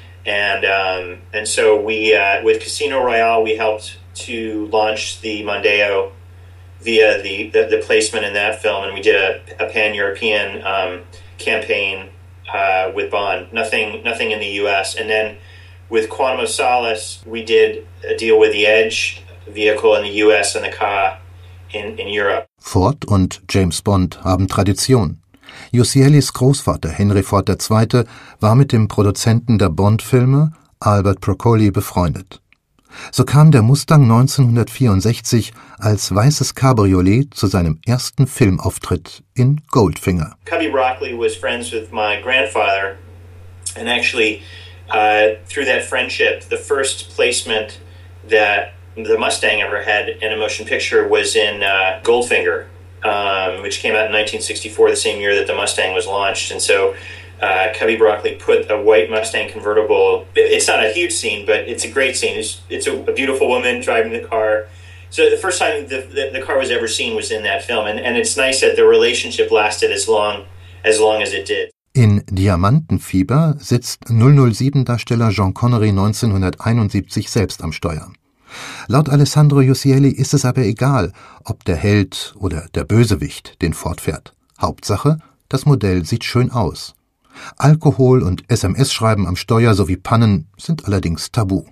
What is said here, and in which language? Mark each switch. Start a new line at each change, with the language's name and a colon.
English: And so we with Casino Royale, we helped to launch the Mondeo via the placement in that film, and we did a pan-European campaign with Bond, nothing in the U.S. And then with Quantum of Solace, we did a deal with the Edge vehicle in the U.S. and the Ka in Europe.
German: Ford und James Bond haben Tradition. Uccellis Großvater, Henry Ford II., war mit dem Produzenten der Bond-Filme, Albert Broccoli, befreundet. So kam der Mustang 1964 als weißes Cabriolet zu seinem ersten Filmauftritt in Goldfinger.
English: Cubby Broccoli was friends with my grandfather, and actually through that friendship, the first placement that the Mustang ever had in a motion picture was in Goldfinger, which came out in 1964, the same year that the Mustang was launched. And so Cubby Broccoli put a white Mustang convertible. It's not a huge scene, but it's a great scene. It's a beautiful woman driving the car. So the first time the car was ever seen was in that film, and it's nice that the relationship lasted as long as it did.
German: In Diamantenfieber sitzt 007-Darsteller Sean Connery 1971 selbst am Steuer. Laut Alessandro Jussielli ist es aber egal, ob der Held oder der Bösewicht den Ford fährt. Hauptsache, das Modell sieht schön aus. Alkohol und SMS-Schreiben am Steuer sowie Pannen sind allerdings tabu.